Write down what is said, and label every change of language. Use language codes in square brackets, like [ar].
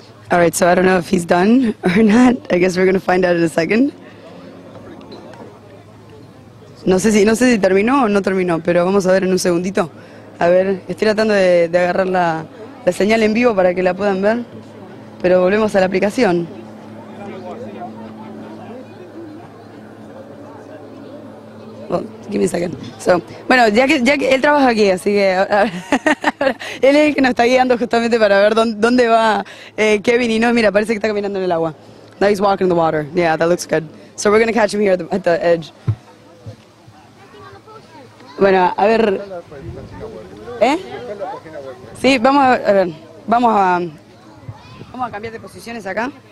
[en] All right, so I don't know if he's done or not. I guess we're going to find out in a second. [es] No sé si terminó o no terminó, pero vamos a ver en un segundito. A ver, estoy tratando de agarrar la señal en vivo para que la puedan ver, pero volvemos a la aplicación. [en] Give me a second. So, [es] bueno, ya que él trabaja aquí, así que él es el que nos está guiando justamente para ver dónde va Kevin. Y no, mira, parece que está caminando en el agua. [en] Now he's walking in the water. Yeah, that looks good. So we're going to catch him here at the edge. [es] Bueno, a ver. ¿Eh? Sí, vamos a cambiar de posiciones acá.